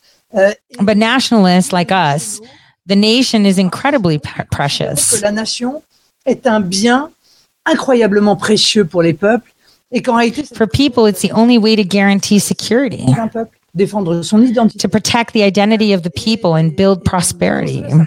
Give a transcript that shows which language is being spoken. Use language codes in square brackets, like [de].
[en] But nationalists like us, the nation is incredibly precious. [fr] La nation est un bien incroyablement précieux pour les peuples. [en] For people, it's the only way to guarantee security, to protect the identity of the people and build prosperity.